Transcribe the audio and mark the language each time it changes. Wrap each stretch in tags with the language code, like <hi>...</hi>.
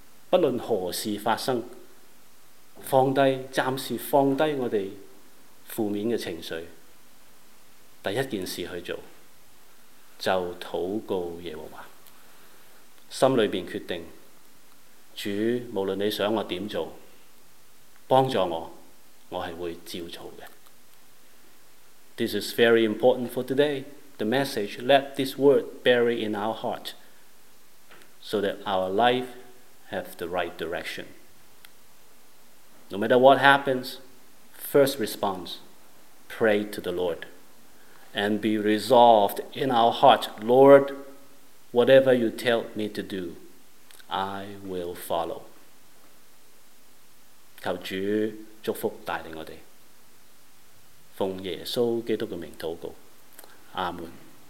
<zh>不论何事发生，放低，暂时放低我们负面的情绪，第一件事去做，就祷告耶和华。心里面决定，主，无论你想我怎样做，帮助我，我是会照做的。</zh> <en>This is very important for today. The message, let this word bury in our heart, so that our life have the right direction. No matter what happens, first response, pray to the Lord. And be resolved in our heart, Lord, whatever you tell me to do, I will follow.</en> <zh>求主祝福带领我们，奉耶稣基督的名祷告，阿门。</zh>